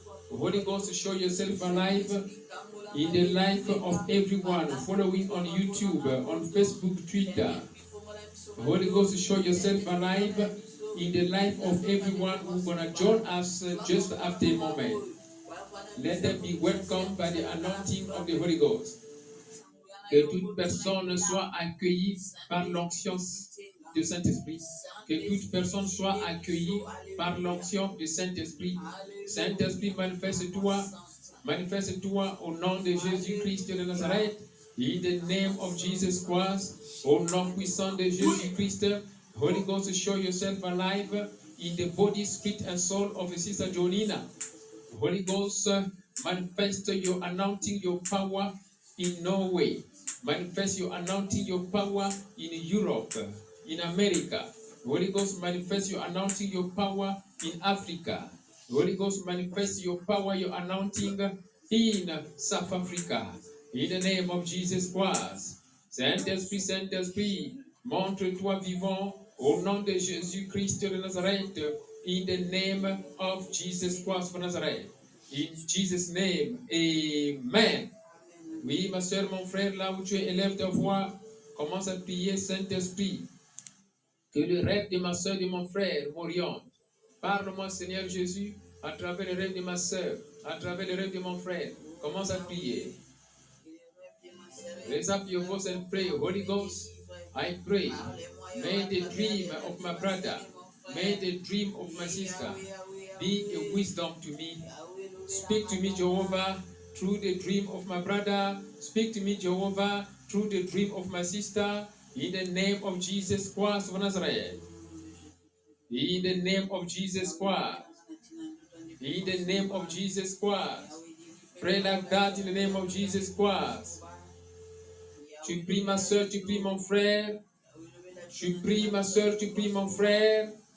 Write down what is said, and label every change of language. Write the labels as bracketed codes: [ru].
[en] Holy Ghost, show yourself alive in the life of everyone following on YouTube, on Facebook, Twitter. Holy Ghost, show yourself alive in the life of everyone who's going to join us just after a moment. Let them be welcomed by the anointing of the Holy Ghost. [fr] Que toute personne soit accueillie par l'onction de Saint-Esprit. Que toute personne soit accueillie par l'onction de Saint-Esprit. Saint-Esprit, manifeste-toi. Manifeste-toi au nom de Jésus-Christ de Nazareth. [en] In the name of Jesus Christ, [fr] au nom puissant de Jésus-Christ, [en] Holy Ghost, show yourself alive in the body, spirit, and soul of Sister Jonina. Holy Ghost, manifeste your anointing, your power in Norway. Manifest your anointing, your power in Europe, in America. Holy Ghost, manifest your anointing, your power in Africa. Holy Ghost, manifest your power, your anointing in South Africa. In the name of Jesus Christ, [fr] Saint Esprit, montre-toi vivant au nom de Jésus Christ de Nazareth. [en] In the name of Jesus Christ of Nazareth. In Jesus' name, Amen. [fr] Oui, ma soeur, mon frère, là où tu es, élève ta voix, commence à prier Saint-Esprit. Que le rêve de ma soeur et de mon frère m'oriente. Parle-moi, Seigneur Jésus, à travers le rêve de ma soeur, à travers le rêve de mon frère. Commence à prier. [en] Raise up your voice and pray. Holy Ghost, I pray. May the dream of my brother, may the dream of my sister be a wisdom to me. Speak to me, Jehovah, through the dream of my brother. Speak to me, Jehovah, through the dream of my sister. In the name of Jesus Christ of Nazareth. In the name of Jesus Christ. In the name of Jesus Christ. Pray like that in the name of Jesus Christ. [fr] Tu pries ma soeur, tu pries mon frère. Tu pries ma soeur, tu pries mon frère.